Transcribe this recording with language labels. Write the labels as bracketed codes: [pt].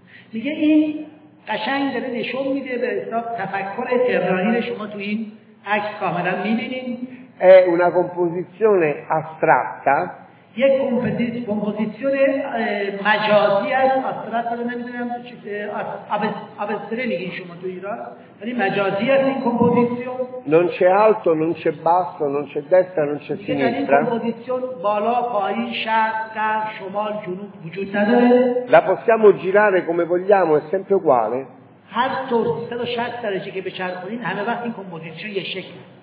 [it] Dice in [fa] قشنگ داره نشون میده به حساب تفکر ترانی شما تو این عکس کاملا میبینین. [it] È una composizione astratta. Che composizione [fa] مجازی است، [it] astratta [fa] رو نمیدونم چه ابستره میگین شما تو ایران. یعنی مجازی است این کمپوزیسیون. [it] Non c'è alto, non c'è basso, non c'è destra, non c'è sinistra. [fa] بالا، پایین، شرق، غرب، شمال، جنوب وجود نداره. [it] La possiamo girare come vogliamo, è sempre uguale. [fa] هر طور 360 درجه که بچرخونین همه وقت این کمپوزیسیون یه شکل.